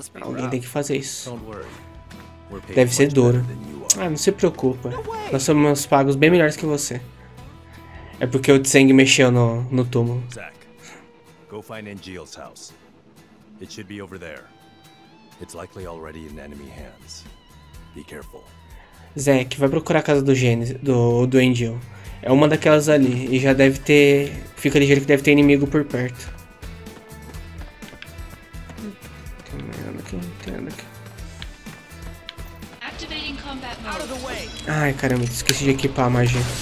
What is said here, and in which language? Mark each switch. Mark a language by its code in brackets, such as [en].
[pt] Alguém tem que fazer isso. Deve ser duro. Ah, não se preocupa. Nós somos pagos bem melhores que você. É porque o Tseng mexeu no túmulo. [en] Zack, go find Angeal's house. It should be over there. It's likely already in enemy hands. Be careful. [pt] Zack, vai procurar a casa do Genesis, do Angel. É uma daquelas ali e já deve ter. Fica ligeiro que deve ter inimigo por perto. Tem nada aqui, tem nada aqui. [en] Activating combat mode. Out of the way. [pt] Ai caramba, esqueci de equipar a magia.